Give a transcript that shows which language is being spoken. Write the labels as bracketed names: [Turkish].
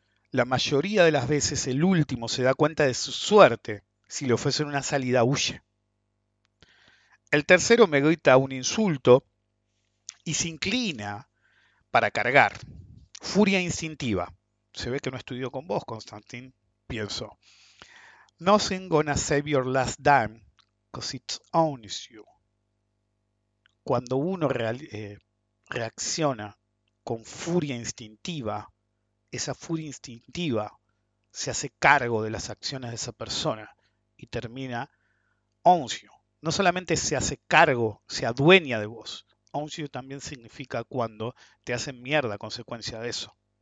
[Spanish] La mayoría de las veces el último se da cuenta de su suerte. Si le ofrecen una salida, huye. El tercero me grita un insulto y se inclina para cargar. Furia instintiva. Se ve que no estudió con vos, Constantine, pienso. [English] Nothing gonna save your last dime, because it owns you. [Spanish] Cuando uno reacciona con furia instintiva, esa furia instintiva se hace cargo de las acciones de esa persona y termina [English] owns you. [Spanish] No solamente se hace cargo, se adueña de vos. [English] Owns you [Spanish] también significa cuando te hacen mierda a consecuencia de eso.